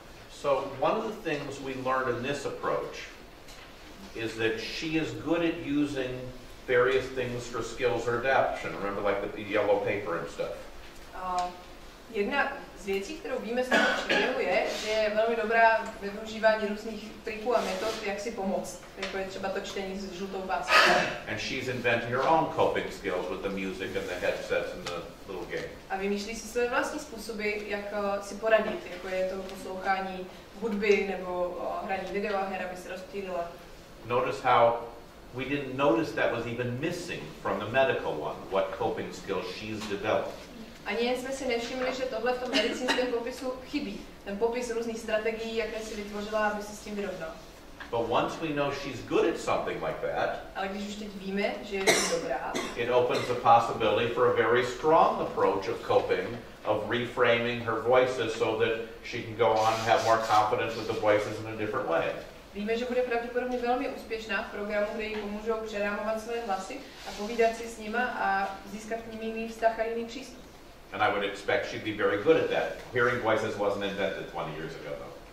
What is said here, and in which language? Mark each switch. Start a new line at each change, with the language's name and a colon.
English: So one of the things we learned in this approach is that she is good at using various things for skills or adaptation. Remember, like the yellow paper and stuff.
Czech: Jedna z věcí, kterou víme z toho příběhu, je, že je velmi dobrá ve využívání různých triků a metod, jak si pomoct. Jako je třeba to čtení s žlutou páskou.
English: And she's inventing her own coping skills with the music and the headsets and the little game.
Czech: A vymýšlí si své vlastní způsoby, jak si poradit, jako je to poslouchání hudby nebo hraní videoher, aby se rozptýlila.
English: Notice how we didn't notice that was even missing from the medical one, what coping skills she's developed.
Czech: Ani jsme si nevšimli, že tohle v tom medicínském popisu chybí. Ten popis různých strategií, jaké si vytvořila, aby se s tím vyrovnala.
English: But once we know she's good at something like that,
Czech: ale když už teď víme, že je dobrá,
English: it opens the possibility for a very strong approach of coping, of reframing her voices so that she can go on and have more confidence with the voices in a different way.
Czech: Víme, že bude pravděpodobně velmi úspěšná v programu, kde jí pomůžou přerámovat své hlasy a povídat si s nima a získat k ním jiný vztah a jiný přístup.
English: And I would expect she'd be very good at that. Hearing voices wasn't invented 20 years ago, though.